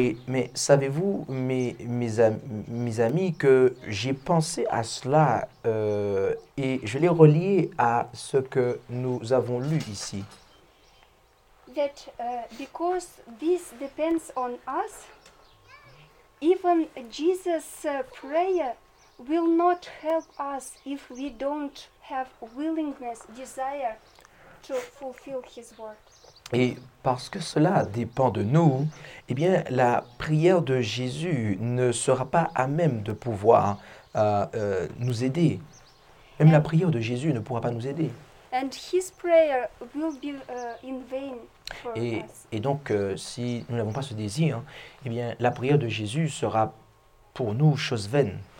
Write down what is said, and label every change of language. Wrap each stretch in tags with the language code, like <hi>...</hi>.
<fr>Mais savez-vous, mes amis, que j'ai pensé à cela et je l'ai relié à ce que nous avons lu ici.</fr> <en>That because this depends on us, even Jesus' prayer will not help us if we don't have willingness, desire to fulfill his word.</en> <fr>Et parce que cela dépend de nous, eh bien, la prière de Jésus ne sera pas à même de pouvoir nous aider. Même la prière de Jésus ne pourra pas nous aider.</fr> <en>And his prayer will be in vain for us.</en> <fr>Et donc, si nous n'avons pas ce désir, eh bien, la prière de Jésus sera pour nous chose vaine.</fr>